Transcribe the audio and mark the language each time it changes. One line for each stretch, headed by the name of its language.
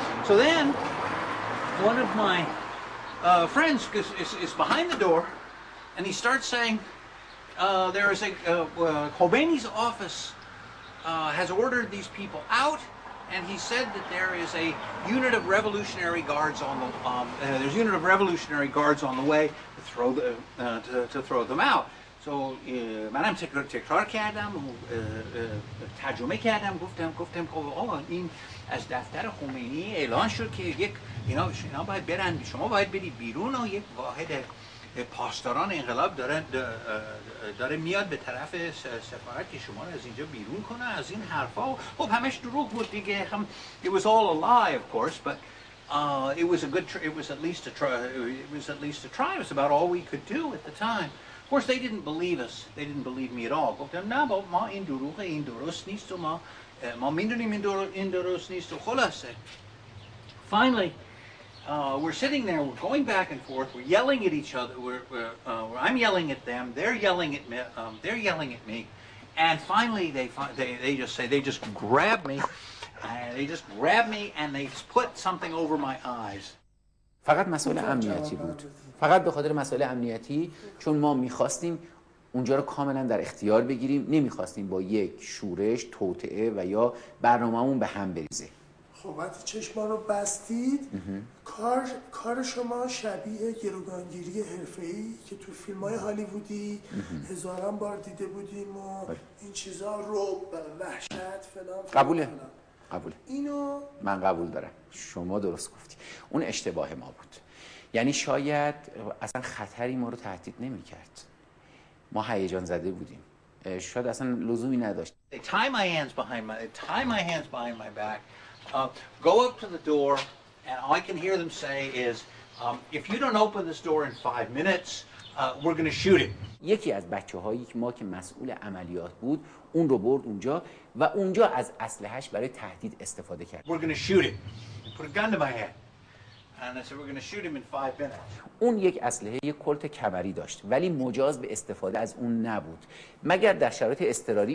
English: So then, one of my friends is behind the door, and he starts saying, "There is a Khomeini's office has ordered these people out, and he said that there is a unit of Revolutionary Guards on the there's a unit of Revolutionary Guards on the way to throw to throw them out."
Persian: So, منم تکرار کردم و ترجمه کردم گفتم که این از دفتر خمینی اعلان شد که اینا باید برن شما باید برید بیرون و یک واحد پاسداران انقلاب داره میاد به طرف سفارت که شما رو از اینجا بیرون کنه از این حرفا و خب همش دروغ بود دیگه هم
English: it was all a lie of course but it was at least a try it was about all we could do at the time. Of course, they didn't believe us. They didn't believe me at all. But then, no, but ma in duruga in durus nisto ma mindunim in durus nisto cholase. Finally, we're sitting there. We're going back and forth. We're yelling at each other. I'm yelling at them. They're yelling at me. And finally, they just grab me. They just grab me and they put something over my eyes.
Persian: فقط مسئله امنیتی بود. فقط به خاطر مسئله امنیتی چون ما میخواستیم اونجا رو کاملا در اختیار بگیریم نمیخواستیم با یک شورش، توطئه و یا برنامه‌مون به هم بریزه. خب وقتی چشما رو بستید کار شما شبیه گروگانگیری حرفه‌ای که تو فیلم‌های هالیوودی هزاران بار دیده بودیم و این چیزا رو وحشت فلان قبوله قبول. اینو من قبول دارم. شما درست گفتی. اون اشتباه ما بود. یعنی شاید اصلا خطری ما رو تهدید نمی کرد. ما هیجان زده بودیم. شاید اصلا لزومی نداشت.
English: Tie my hands behind my back. Go up to the door and all I can hear them say is if you don't open this door in 5 minutes, we're going to shoot it.
Persian: یکی از بچه‌هایی که ما که مسئول عملیات بود اون رو برد اونجا و اونجا از اسلحه‌اش برای تهدید استفاده کرد.
English: We're going to shoot him. Put a gun to my head. And I said we're going to shoot him in 5 minutes.
Persian: اون یک اسلحه یک کلت کمری داشت ولی مجاز به استفاده از اون نبود مگر در شرایط اضطراری.